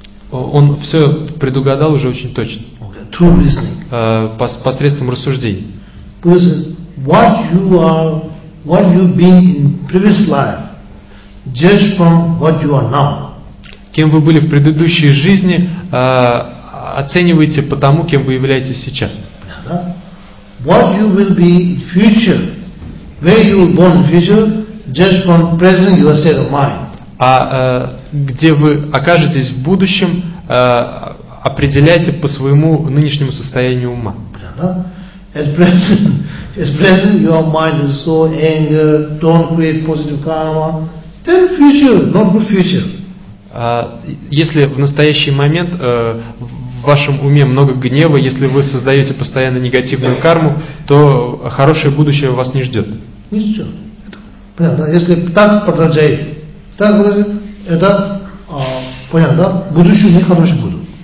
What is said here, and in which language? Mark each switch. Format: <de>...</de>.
<ru>Он все предугадал уже очень точно.</ru> <en>Okay. True reasoning.</en> <ru>Посредством рассуждений.</ru> <en>Buddha says, what you been in previous life, judge from what you are now.</en> <ru>Кем вы были в предыдущей жизни, оцениваете по тому, кем вы являетесь сейчас.</ru> <en>What you will be in future, where you will born in future, judge from present your state of mind.</en> <ru>А где вы окажетесь в будущем, определяйте по своему нынешнему состоянию ума.</ru> <en>At present, your mind is so anger, don't create positive karma. Then future, not good future.</en> <ru>Если в настоящий момент в вашем уме много гнева, если вы создаете постоянно негативную карму, то хорошее будущее вас не ждет. Понятно. Если так продолжает. Так говорит, это понятно, да? Будущее нехорошее будет.</ru>